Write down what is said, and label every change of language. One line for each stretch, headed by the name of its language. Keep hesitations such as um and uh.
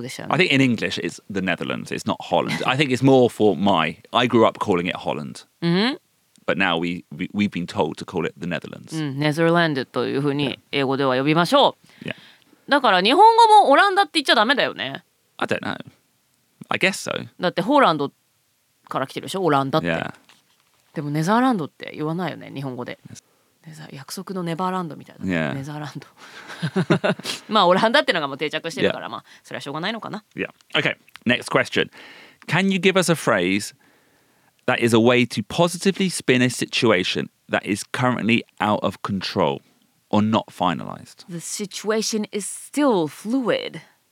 English: I think in English it's the Netherlands. It's not Holland. I think it's more for my. I grew up calling it Holland. Mm-hmm. But now we, we, we've been told to call it the Netherlands.
Japanese: Netherland、うん、というふうに英語では呼びましょう。y e a だから日本語もオランダって言っちゃダメだよね。
English: I don't know. I guess so.
Japanese: だってホーランドから来てるでしょオランダって。
English: Yeah.
Japanese: でもネザーランドって言わないよね日本語で。ネザ約束のネバーランドみたいな、ね。
English: Yeah. ネザーランド。
Japanese: まあオランダってのがもう定着してるから、yeah. まあそれはしょうがないのかな。
English: Yeah. Okay. Next question. Can you give us a phrase that is a way to positively spin a situation that is currently out of control or not finalized. The situation is still fluid.